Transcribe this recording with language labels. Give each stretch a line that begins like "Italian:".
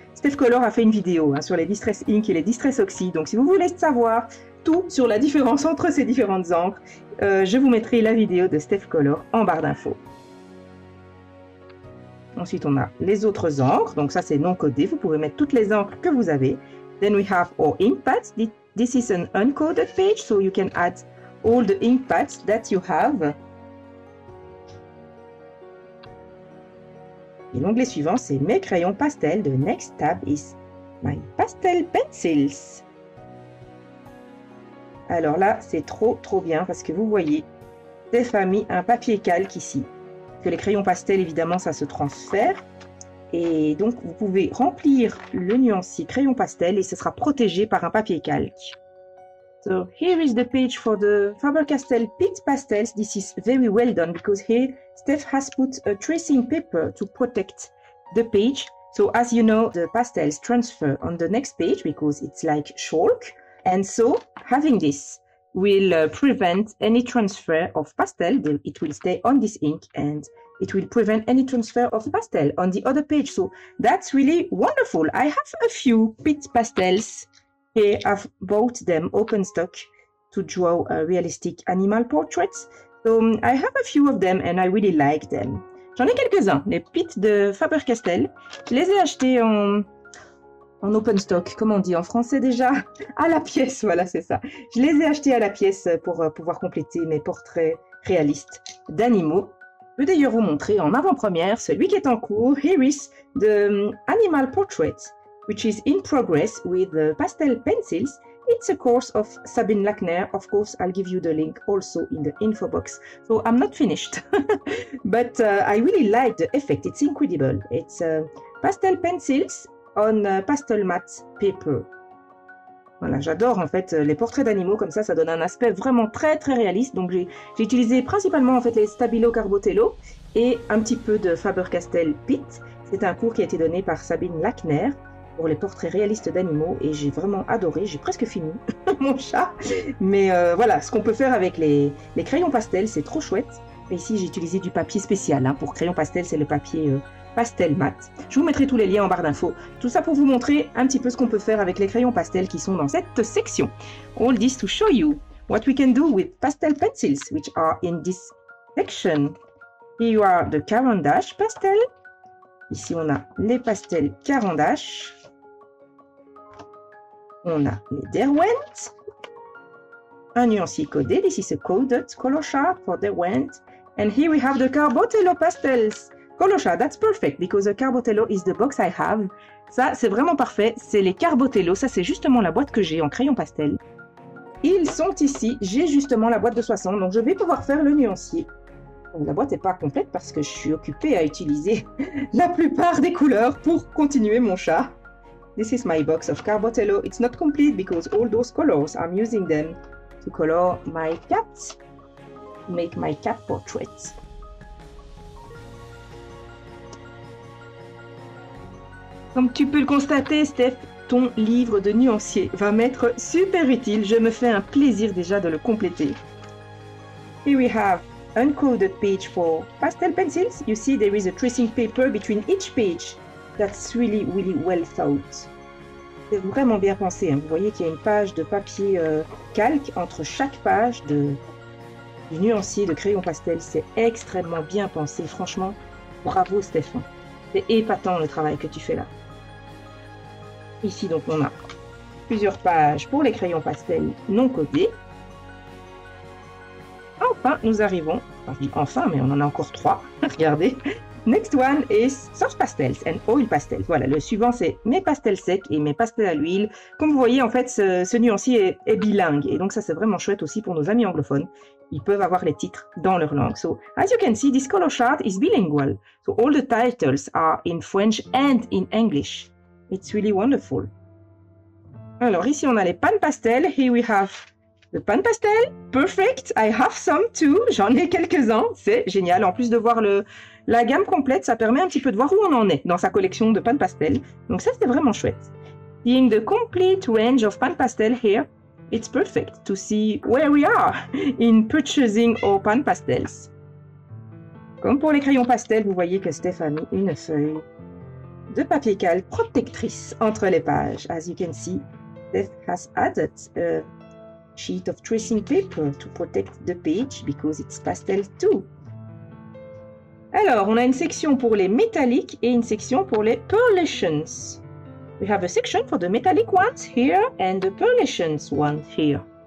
French: Steph Color a fait une vidéo hein, sur les distress ink et les distress oxides. Donc, si vous voulez savoir tout sur la différence entre ces différentes encres, je vous mettrai la vidéo de Steph Color en barre d'infos. Ensuite, on a les autres encres. Donc, ça, c'est non codé. Vous pouvez mettre toutes les encres que vous avez.
English: Then we have our ink pads. This is an uncoded page, so you can add all the ink pads that you have.
French: Et l'onglet suivant, c'est mes crayons pastels.
English: The next tab is my pastel pencils.
French: Alors là, c'est trop bien parce que vous voyez, Steph a mis un papier calque ici. Que les crayons pastels, évidemment, ça se transfère. Et donc, vous pouvez remplir le nuancier crayon pastel et ce sera protégé par un papier calque.
English: So, here is the page for the Faber-Castell Pitt Pastels. This is very well done because here Steph has put a tracing paper to protect the page. So, as you know, the pastels transfer on the next page because it's like chalk. And so, having this will prevent any transfer of pastel. It will stay on this ink and it will prevent any transfer of pastel on the other page. So, that's really wonderful. I have a few Pitt Pastels. Et I've bought them open stock to draw a realistic animal portrait. So I have a few of them and I really like them.
French: J'en ai quelques-uns, les pits de Faber-Castell. Je les ai achetés en open stock, comme on dit en français déjà, à la pièce, voilà c'est ça. Je les ai achetés à la pièce pour pouvoir compléter mes portraits réalistes d'animaux. Je vais d'ailleurs vous montrer en avant-première celui qui est en cours, Iris de Animal Portrait.
English: Which is in progress with the pastel pencils. It's a course of Sabine Lackner. Of course, I'll give you the link also in the info box. So I'm not finished, but I really like the effect. It's incredible. It's pastel pencils on pastel matte paper.
French: Voilà, j'adore en fait les portraits d'animaux comme ça. Ça donne un aspect vraiment très très réaliste. Donc j'ai utilisé principalement en fait les Stabilo Carbotello et un petit peu de Faber-Castell Pitt. C'est un cours qui a été donné par Sabine Lackner. Pour les portraits réalistes d'animaux et j'ai vraiment adoré, j'ai presque fini mon chat, mais voilà, ce qu'on peut faire avec les crayons pastels, c'est trop chouette. Et ici j'ai utilisé du papier spécial hein. Pour crayon pastel, c'est le papier pastel mat. Je vous mettrai tous les liens en barre d'infos, tout ça pour vous montrer un petit peu ce qu'on peut faire avec les crayons pastels qui sont dans cette section.
English: All this to show you what we can do with pastel pencils which are in this section. Here you are the Carandash pastel.
French: Ici, on a les pastels Carandash. On a les Derwent. Un nuancier codé.
English: This is a coded color chart for Derwent. And here we have the Carbotello pastels. Color chart, that's perfect because the Carbotello is the box I have.
French: Ça, c'est vraiment parfait. C'est les Carbotello. Ça, c'est justement la boîte que j'ai en crayon pastel. Ils sont ici. J'ai justement la boîte de 60. Donc, je vais pouvoir faire le nuancier. La boîte n'est pas complète parce que je suis occupée à utiliser la plupart des couleurs pour continuer mon chat.
English: This is my box of Carbotello. It's not complete because all those colors, I'm using them to color my cat, to make my cat portrait.
French: Comme tu peux le constater, Steph, ton livre de nuancier va m'être super utile. Je me fais un plaisir déjà de le compléter.
English: Here we have uncoded page for pastel pencils. You see there is a tracing paper between each page. That's really, really well thought.
French: C'est vraiment bien pensé. Hein. Vous voyez qu'il y a une page de papier calque entre chaque page du nuancier de crayon pastel. C'est extrêmement bien pensé. Franchement, bravo Stéphane. C'est épatant le travail que tu fais là. Ici donc on a plusieurs pages pour les crayons pastels non codés. Enfin, nous arrivons, enfin, mais on en a encore trois, regardez.
English: Next one is soft pastels and oil pastels.
French: Voilà, le suivant, c'est mes pastels secs et mes pastels à l'huile. Comme vous voyez, en fait, ce nuancier est bilingue. Et donc, ça, c'est vraiment chouette aussi pour nos amis anglophones. Ils peuvent avoir les titres dans leur langue.
English: So, as you can see, this color chart is bilingual. So, all the titles are in French and in English. It's really wonderful.
French: Alors, ici, on a les pannes pastels.
English: Here we have
French: Le pan pastel, perfect.
English: I have some too.
French: J'en ai quelques-uns. C'est génial. En plus de voir la gamme complète, ça permet un petit peu de voir où on en est dans sa collection de pan pastel. Donc ça, c'est vraiment chouette.
English: Seeing the complete range of pan pastel here, it's perfect to see where we are in purchasing our pan pastels.
French: Comme pour les crayons pastel, vous voyez que Steph a mis une feuille de papier calque protectrice entre les pages.
English: As you can see, Steph has added a sheet of tracing paper to protect the page because it's pastel too.
French: Alors, on a une section pour les métalliques et une section pour les pearlations.
English: We have a section for the metallic ones here and the pearlations one here.